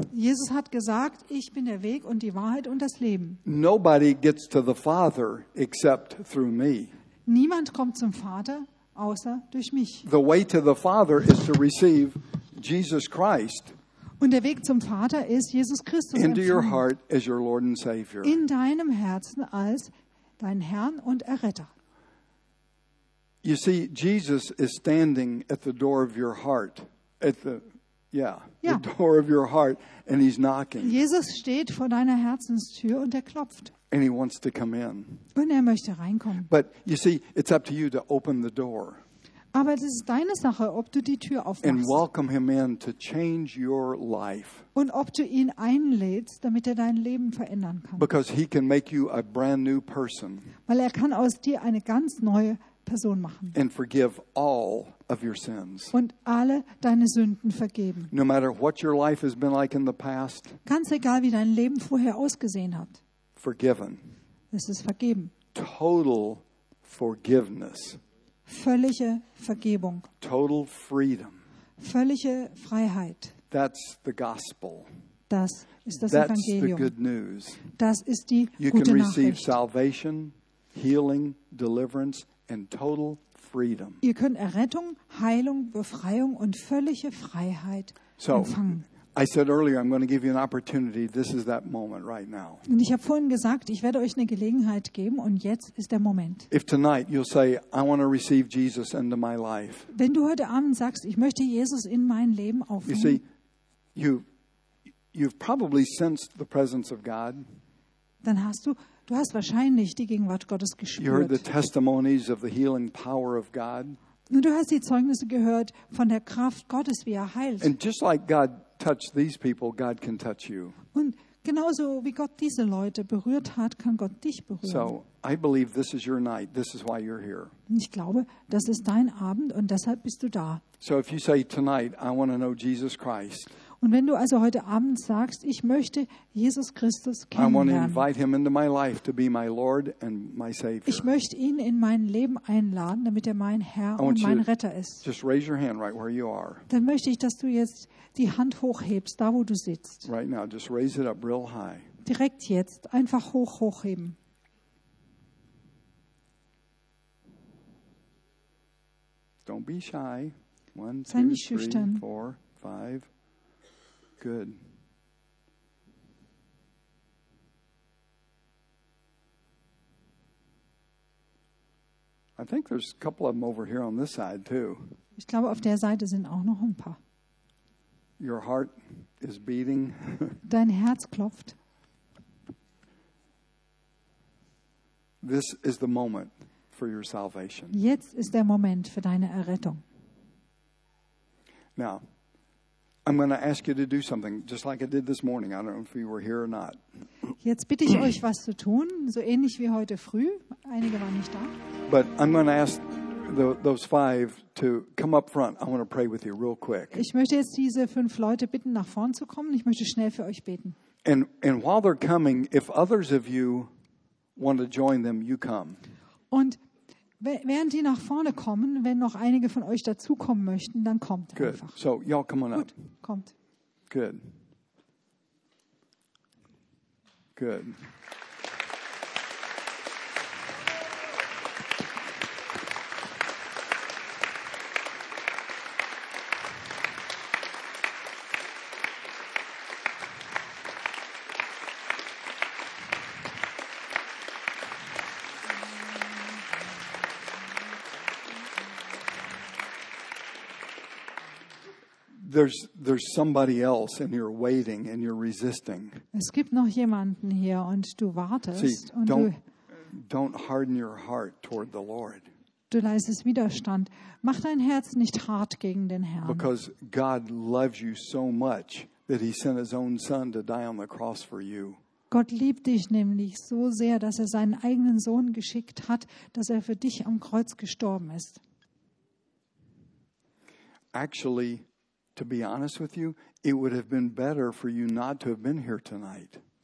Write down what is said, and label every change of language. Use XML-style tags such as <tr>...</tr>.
<de>Jesus hat gesagt, ich bin der Weg und die Wahrheit und das Leben.</de> <en>Nobody gets to the Father except through me.</en> <de>Niemand kommt zum Vater außer durch mich.</de> <en>The way to the Father is to receive Jesus Christ.</en> <de>Und der Weg zum Vater ist Jesus Christus.</de> <en>Into your heart as your Lord and Savior.</en> <de>In deinem Herzen als dein Herrn und Erretter.</de> <en>You see, Jesus is standing at the door of your heart. The door of your heart, and he's knocking.</en> <de>Jesus steht vor deiner Herzenstür und er klopft.</de> <en>And he wants to come in.</en> <de>Und er möchte reinkommen.</de> <en>But you see, it's up to you to open the door.</en> <de>Aber es ist deine Sache, ob du die Tür aufmachst.</de> <en>And welcome him in to change your life.</en> <de>Und ob du ihn einlädst, damit er dein Leben verändern kann.</de> <en>Because he can make you a brand new person.</en> <de>Weil er kann aus dir eine ganz neue Person machen.</de> <en>And forgive all of your sins.</en> <de>Und alle deine Sünden vergeben.</de> <en>No matter what your life has been like in the past.</en> <de>Ganz egal, wie dein Leben vorher ausgesehen hat.</de> <en>Forgiven.</en> <de>Es ist vergeben.</de> <en>Total forgiveness.</en> <de>Völlige Vergebung.</de> <en>Total freedom.</en> <de>Völlige Freiheit.</de> <en>That's the gospel.</en> <de>Das ist das</de> <en>That's</en> <de>Evangelium.</de> <en>The good news.</en> <de>Das ist die</de> <en>you</en> <de>gute</de> <en>can receive</en> <de>Nachricht.</de> <en>Salvation, healing, deliverance and total freedom.</en> <de>Ihr könnt Errettung, Heilung, Befreiung und völlige Freiheit empfangen.</de> <en>I said earlier, I'm going to give you an opportunity. This is that moment right now.</en> <de>Und ich habe vorhin gesagt, ich werde euch eine Gelegenheit geben, und jetzt ist der Moment.</de> <en>If tonight you'll say, I want to receive Jesus into my life.</en> <de>Wenn du heute Abend sagst, ich möchte Jesus in mein Leben aufnehmen.</de> <en>You see, you've probably sensed the presence of God.</en> <de>Dann hast du, du hast wahrscheinlich die Gegenwart Gottes gespürt.</de> <en>You heard the testimonies of the healing power of God.</en> <de>Und du hast die Zeugnisse gehört von der Kraft Gottes, wie er heilt.</de> <en>And just like God touch these people, God can touch you.</en> <de>Und genauso wie Gott diese Leute berührt hat, kann Gott dich berühren.</de> <en>So, I believe this is your night. This is why you're here.</en> <de>Ich glaube, das ist dein Abend und deshalb bist du da.</de> <en>So if you say tonight, I want to know Jesus Christ.</en> <de>Und wenn du also heute Abend sagst, ich möchte Jesus Christus kennenlernen.</de> <en>I want to invite him into my life to be my Lord and my Savior.</en> <de>Ich möchte ihn in mein Leben einladen, damit er mein Herr und mein Retter ist.</de> <en>Just raise your hand right where you are.</en> <de>Dann möchte ich, dass du jetzt die Hand hochhebst, da wo du sitzt.</de> <en>Right now, just raise it up real high.</en> <de>Direkt jetzt, einfach hochheben.</de> <en>Don't be shy. One,</en> <de>sei</de> <en>two,</en> <de>nicht schüchtern.</de> <en>Three, four, five. Good. I think there's a couple of them over here on this side too.</en> <de>Ich glaube, auf der Seite sind auch noch ein paar.</de> <en>Your heart is beating.</en> <de>Dein Herz klopft.</de> <en>This is the moment for your salvation.</en> <de>Jetzt ist der Moment für deine Errettung.</de> <en>Now, I'm going to ask you to do something just like I did this morning. I don't know if you were here or not.</en> <de>Jetzt bitte ich euch was zu tun, so ähnlich wie heute früh. Einige waren nicht da.</de> <en>But I'm going to ask those five to come up front. I want to pray with you real quick.</en> <de>Ich möchte jetzt diese fünf Leute bitten, nach vorn zu kommen. Ich möchte schnell für euch beten.</de> <en>And while they're coming, if others of you want to join them, you come.</en> <de>Und während die nach vorne kommen, wenn noch einige von euch dazukommen möchten, dann kommt</de> <en>Good.</en> <de>Einfach.</de> <en>So, y'all come on</en> <de>Gut.</de> <en>up.</en> <de>Kommt.</de> <en>Good. Good. There's somebody else and you're waiting and you're resisting.</en> <de>Es gibt noch jemanden hier und du wartest.</de> <en>See,</en> <de>und</de> <en>don't harden your heart toward the Lord.</en> <de>Du leistest Widerstand. Mach dein Herz nicht hart gegen den Herrn.</de> <en>Because God loves you so much that he sent his own son to die on the cross for you.</en> <de>Gott liebt dich nämlich so sehr, dass er seinen eigenen Sohn geschickt hat, dass er für dich am Kreuz gestorben ist.</de> <en>Actually, to be honest with you, it would have been better for you not to have been here tonight.</en>